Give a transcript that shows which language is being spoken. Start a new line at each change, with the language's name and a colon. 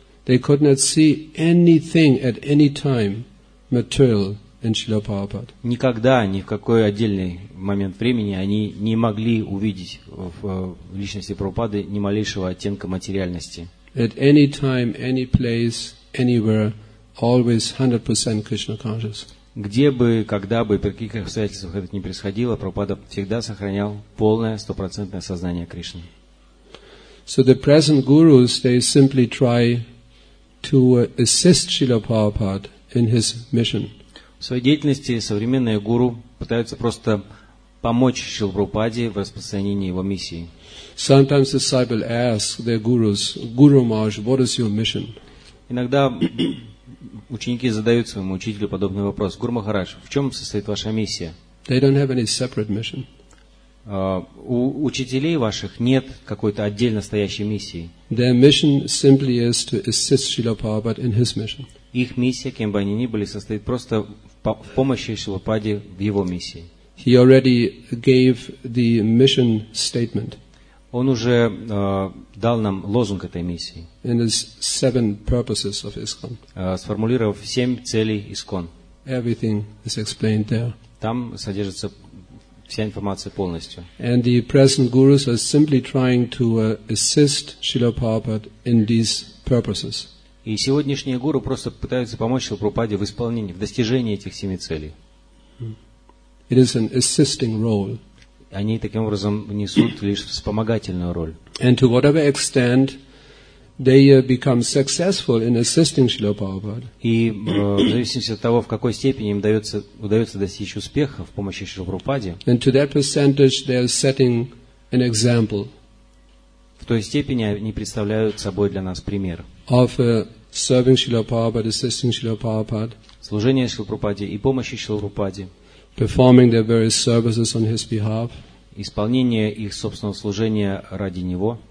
English: They could not see anything at any time material in Srila Prabhupada.
Russian: Никогда, ни в какой отдельный момент времени они не могли увидеть в личности Прабхупады ни малейшего оттенка материальности.
English: At any time, any place, anywhere, always 100% Krishna conscious.
Russian: Где бы, когда бы, при каких обстоятельствах это ни происходило, Прабхупада всегда сохранял полное, стопроцентное сознание Кришны.
English: So the present gurus, they simply try to assist Srila Prabhupada in his mission.
Russian: В своей деятельности современные гуру пытаются просто помочь Шрила Прабхупаде в распространении его миссии.
English: Sometimes disciple asks their gurus, Guru Maharaj, what is your mission?
Russian: Иногда ученики задают своему учителю подобный вопрос: Гуру Махарадж, в чем состоит ваша миссия?
English: They don't have any separate mission.
Russian: У учителей ваших нет какой-то отдельно стоящей миссии.
English: Their mission simply is to assist Srila Prabhupada in his mission.
Russian: Их миссия, кем бы они ни были, состоит просто в помощи Шрила Прабхупаде в его миссии.
English: He already gave the mission statement.
Russian: Он уже дал нам лозунг этой миссии.
English: In his seven purposes of ISKCON.
Russian: Сформулировав семь целей ISKCON.
English: Everything is explained there.
Russian: Там содержится вся информация полностью.
English: And the present gurus are simply trying to assist Srila Prabhupada in these purposes.
Russian: И сегодняшние гуру просто пытаются помочь Шрила Прабхупаде в исполнении, в достижении этих семи целей.
English: It is an assisting role.
Russian: Они таким образом несут лишь вспомогательную роль.
English: And to whatever extent they become successful in assisting Srila Prabhupada.
Russian: И в зависимости от того, в какой степени им удается достичь успеха в помощи Шрила Прабхупаде.
English: And to that percentage they are setting an example.
Russian: В той степени они представляют собой для нас пример.
English: Of serving Srila Prabhupada, assisting Srila Prabhupada.
Russian: Служение Шрила Прабхупаде и помощи Шрила Прабхупаде.
English: Performing their various services on his behalf.
Russian: Исполнение их собственного служения ради него.